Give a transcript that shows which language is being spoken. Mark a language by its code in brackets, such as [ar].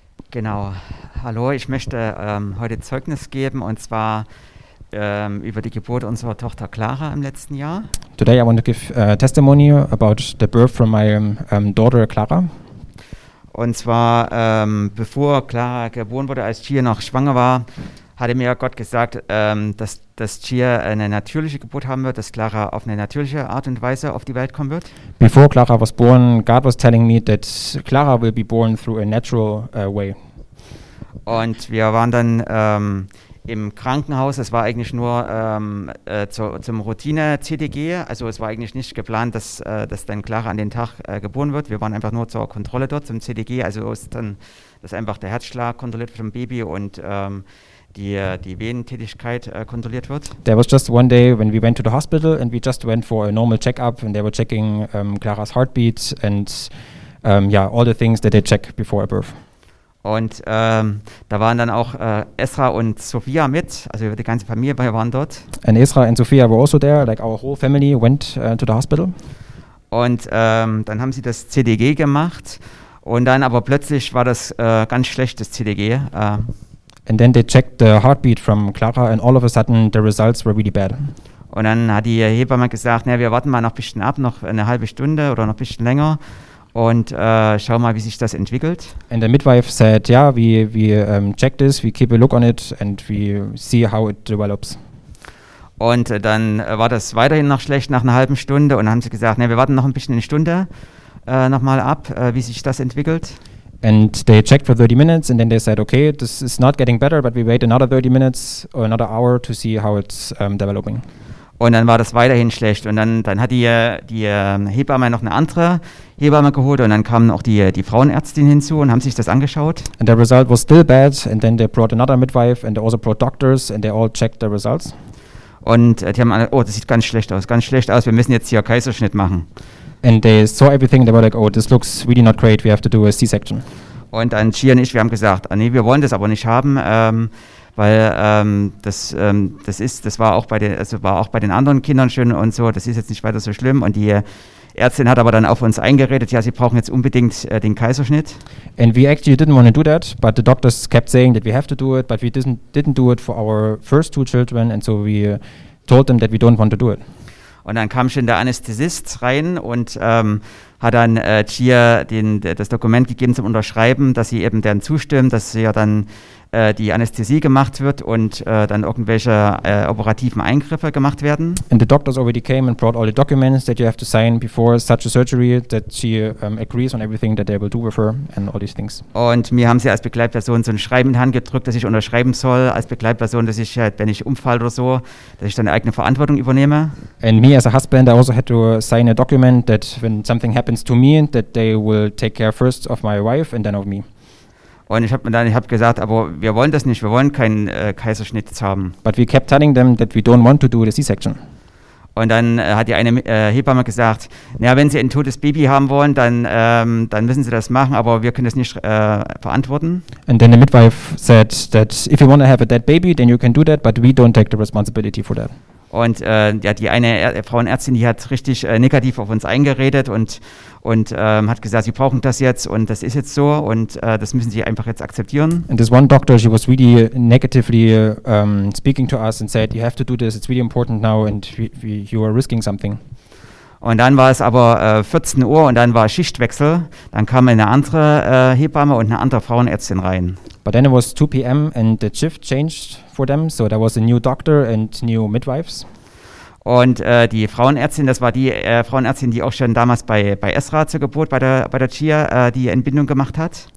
[de] Genau. Hallo, ich möchte heute Zeugnis geben und zwar über die Geburt unserer Tochter Clara im letzten Jahr. [en] Today I want to give a testimony about the birth from my daughter Clara. [de] Und zwar bevor Clara geboren wurde, als Gia noch schwanger war, hatte mir Gott gesagt, dass Gia eine natürliche Geburt haben wird, dass Clara auf eine natürliche Art und Weise auf die Welt kommen wird. [en] Before Clara was born, God was telling me that Clara will be born through a natural way. [de] Und wir waren dann im Krankenhaus, es war eigentlich nur zum Routine-CTG, also es war eigentlich nicht geplant, dass dann Clara an den Tag geboren wird. Wir waren einfach nur zur Kontrolle dort, zum CTG, also ist dann, dass einfach der Herzschlag kontrolliert vom Baby und die Venentätigkeit kontrolliert wird. [en] There was just one day when we went to the hospital and we just went for a normal check-up and they were checking Clara's heartbeat and all the things that they check before a birth. [de] Und da waren dann auch Esra und Sophia mit, also die ganze Familie waren dort. [en] And Esra and Sophia were also there, like our whole family went to the hospital. [de] Und dann haben sie das CTG gemacht und dann aber plötzlich war das ganz schlechtes CTG. [en] And then they checked the heartbeat from Clara and all of a sudden the results were really bad. [de] Und dann hat die Hebamme gesagt, wir warten mal noch ein bisschen ab, noch eine halbe Stunde oder noch ein bisschen länger. und schau mal, wie sich das entwickelt. [en] And the midwife said, yeah, we check this, we keep a look on it and we see how it develops. [de] Und dann war das weiterhin noch schlecht nach einer halben Stunde und dann haben sie gesagt, nee, wir warten noch ein bisschen eine Stunde nochmal ab, wie sich das entwickelt. [en] And they checked for 30 minutes and then they said, okay, this is not getting better, but we wait another 30 minutes or another hour to see how it's developing. [de] Und dann war das weiterhin schlecht und dann hat die Hebamme noch eine andere Hebamme geholt und dann kamen auch die Frauenärztin hinzu und haben sich das angeschaut. [en] And the result was still bad and then they brought another midwife and they also brought doctors and they all checked the results. [de] Und die haben alle, oh, das sieht ganz schlecht aus, wir müssen jetzt hier Kaiserschnitt machen. [en] And they saw everything and they were like, oh, this looks really not great, we have to do a C-section. [de] Und dann Gia und ich, wir haben gesagt, ah, nee, wir wollen das aber nicht haben, weil das war auch bei den anderen Kindern schön und so, das ist jetzt nicht weiter so schlimm. Und die Ärztin hat aber dann auf uns eingeredet, ja, sie brauchen jetzt unbedingt den Kaiserschnitt. [en] And we actually didn't want to do that, but the doctors kept saying that we have to do it, but we didn't do it for our first two children, and so we told them that we don't want to do it. [de] Und dann kam schon der Anästhesist rein und hat dann Gia das Dokument gegeben zum Unterschreiben, dass sie eben dann zustimmt, dass sie ja dann die Anästhesie gemacht wird und dann irgendwelche operativen Eingriffe gemacht werden. [en] And the doctors already came and brought all the documents that you have to sign before such a surgery, that she agrees on everything that they will do with her and all these things. [de] Und mir haben sie als Begleitperson so ein Schreiben in die Hand gedrückt, dass ich unterschreiben soll, als Begleitperson, dass ich, wenn ich umfalle oder so, dass ich dann eine eigene Verantwortung übernehme. [en] And me as a husband, I also had to sign a document that when something happens to me, that they will take care first of my wife and then of me. [de] Und ich hab gesagt, aber wir wollen das nicht, wir wollen keinen Kaiserschnitt haben. [en] But we kept telling them that we don't want to do the C-section. [de] Und dann hat die eine Hebamme gesagt, naja, wenn Sie ein totes Baby haben wollen, dann müssen Sie das machen, aber wir können das nicht verantworten. [en] And then the midwife said that if you want to have a dead baby, then you can do that, but we don't take the responsibility for that. [de] Und ja, die eine Frauenärztin, die hat richtig negativ auf uns eingeredet und hat gesagt, sie brauchen das jetzt und das ist jetzt so und das müssen sie einfach jetzt akzeptieren. [en] And this one doctor, she was really negatively speaking to us and said, you have to do this, it's really important now and you are risking something. [de] Und dann war es aber 14 Uhr und dann war Schichtwechsel. Dann kam eine andere Hebamme und eine andere Frauenärztin rein. [en] But then it was 2 p.m. and the shift changed for them. So there was a new doctor and new midwives. [de] Und die Frauenärztin, das war die Frauenärztin, die auch schon damals bei Esra zur Geburt bei der Gia die Entbindung gemacht hat.